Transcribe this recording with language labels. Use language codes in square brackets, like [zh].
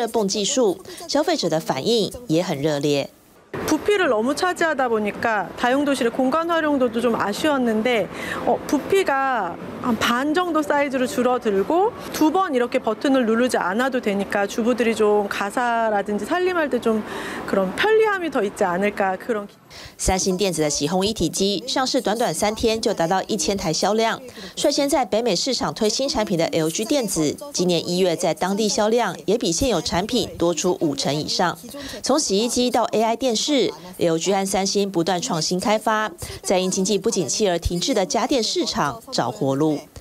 [zh] 三星电子也在同一时间推出了洗烘一体机。事实上，家电大厂不是第一次推出类似产品，但以前是利用高温热风来干燥衣服。这次两家企业推出的产品都采用了低温吸湿的热泵技术，消费者的反应也很热烈。 [ko] 부피를 너무 차지하다 보니까 다용도실의 공간 활용도 좀 아쉬웠는데 부피가 한 반 정도 사이즈로 줄어들고 두 번 이렇게 버튼을 누르지 않아도 되니까 주부들이 좀 가사라든지 살림할 때 좀 그런 편리함이 더 있지 않을까 그런 [zh] 三星电子的洗烘一体机上市短短3天就达到1000台销量，率先在北美市场推新产品的 LG 电子，今年1月在当地销量也比现有产品多出5成以上。从洗衣机到 AI 电视，LG 和三星不断创新开发，在因经济不景气而停滞的家电市场找活路。